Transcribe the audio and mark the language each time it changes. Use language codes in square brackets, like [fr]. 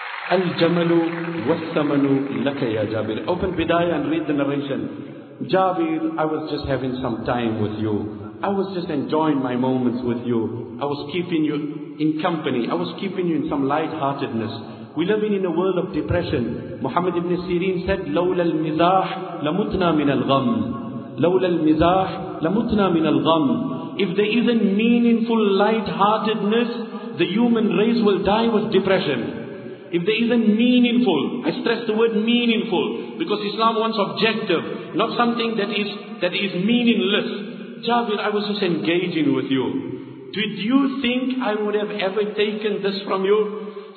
[ar] Al jamalu wassamanu laka ya Jabir. [en] Open bidayah and read the narration. Jabir, I was just having some time with you. I was just enjoying my moments with you. I was keeping you in company. I was keeping you in some lightheartedness. We live in a world of depression. Muhammad ibn Sirin said, [ar] لَوْلَا الْمِزَاحْ لَمُتْنَا مِنَ الْغَمْ لَوْلَا الْمِزَاحْ لَمُتْنَا مِنَ الْغَمْ. [en] If there isn't meaningful lightheartedness, the human race will die with depression. If there isn't meaningful, I stress the word meaningful, because Islam wants objective, not something that is meaningless. Jabir, I was just engaging with you. Did you think I would have ever taken this from you?